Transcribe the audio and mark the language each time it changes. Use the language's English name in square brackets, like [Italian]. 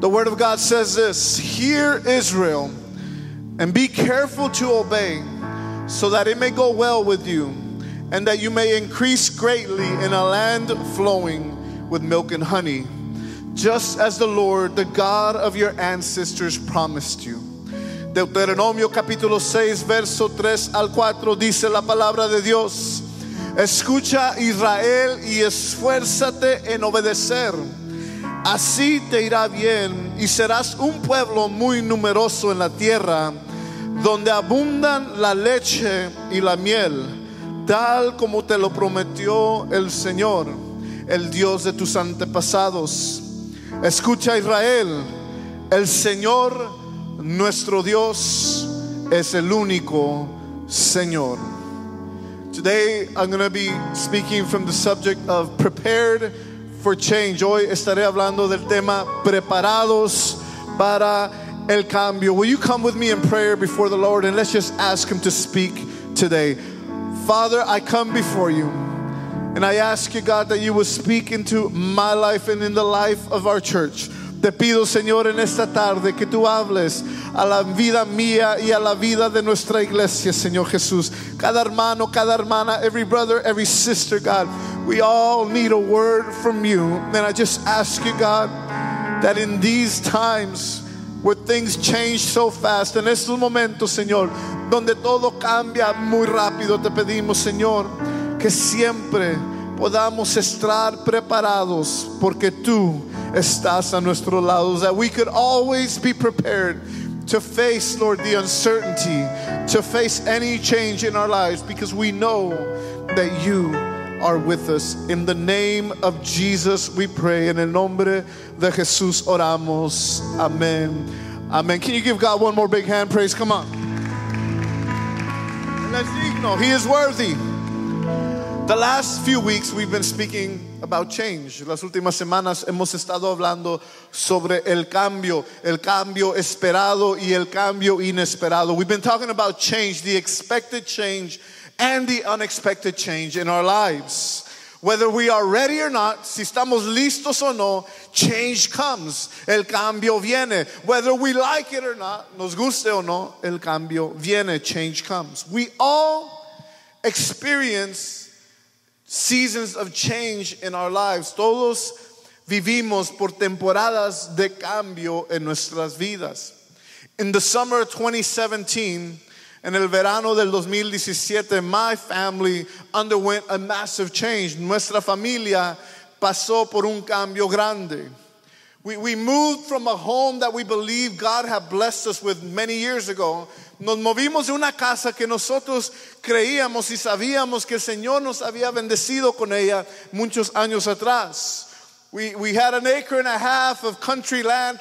[English] The word of God says this: Hear, Israel, and be careful to obey, so that it may go well with you, and that you may increase greatly in a land flowing with milk and honey, just as the Lord, the God of your ancestors, promised you. [Spanish] Deuteronomio capítulo 6, verso 3 al 4, dice la palabra de Dios: Escucha, Israel, y esfuérzate en obedecer. Así te irá bien, y serás un pueblo muy numeroso en la tierra, donde abundan la leche y la miel, tal como te lo prometió el Señor, el Dios de tus antepasados. Escucha, Israel, el Señor nuestro Dios es el único Señor. [English] Today I'm going to be speaking from the subject of prepared for change. [Spanish] Hoy estaré hablando del tema preparados para el cambio. [English] Will you come with me in prayer before the Lord and let's just ask Him to speak today. Father, I come before you and I ask you, God, that you would speak into my life and in the life of our church. [Spanish] Te pido, Señor, en esta tarde que tú hables a la vida mía y a la vida de nuestra iglesia, Señor Jesús. Cada hermano, cada hermana, [English] every brother, every sister, God, we all need a word from you. And I just ask you, God, that in these times where things change so fast, [Spanish] en estos momentos, Señor, donde todo cambia muy rápido, te pedimos, Señor, que siempre podamos estar preparados porque tú estás a nuestro lado. [English] That we could always be prepared to face, Lord, the uncertainty, to face any change in our lives, because we know that you are with us. In the name of Jesus we pray. [Spanish] En el nombre de Jesús oramos. [English] Amen. Amen. Can you give God one more big hand praise? Come on. He is worthy. The last few weeks we've been speaking about change. [Spanish] Las últimas semanas hemos estado hablando sobre el cambio esperado y el cambio inesperado. [English] We've been talking about change, the expected change and the unexpected change in our lives. Whether we are ready or not, [Spanish] si estamos listos o no, [English] change comes. [Spanish] El cambio viene. [English] Whether we like it or not, [Spanish] nos guste o no, el cambio viene. [English] Change comes. We all experience seasons of change in our lives. [Spanish] Todos vivimos por temporadas de cambio en nuestras vidas. [English] In the summer of 2017, [Spanish] en el verano del 2017, [English] my family underwent a massive change. [Spanish] Nuestra familia pasó por un cambio grande. [English] We moved from a home that we believe God had blessed us with many years ago. [Spanish] Nos movimos de una casa que nosotros creíamos y sabíamos que el Señor nos había bendecido con ella muchos años atrás. [English] We had an acre and a half of country land.